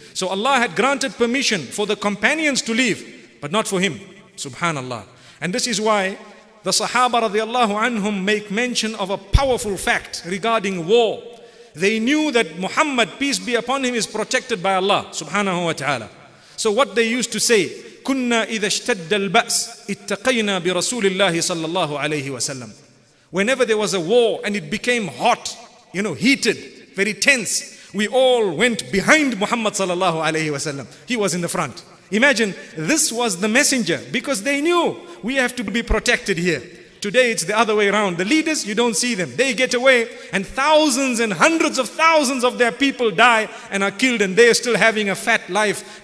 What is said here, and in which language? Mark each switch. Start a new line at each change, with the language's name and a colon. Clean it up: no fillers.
English: So Allah had granted permission for the companions to leave, but not for him. Subhanallah. And this is why the Sahaba radiallahu anhum make mention of a powerful fact regarding war. They knew that Muhammad, peace be upon him, is protected by Allah subhanahu wa ta'ala. So what they used to say,
Arabic: كنا إذا اشتد البأس اتقينا برسول الله صلى الله عليه وسلم.
English: Whenever there was a war and it became hot, you know, heated, very tense, we all went behind Muhammad
Arabic: صلى الله عليه وسلم.
English: He was in the front. Imagine, this was the messenger, because they knew we have to be protected here. Today it's the other way around. The leaders, you don't see them. They get away, and thousands and hundreds of thousands of their people die and are killed, and they are still having a fat life.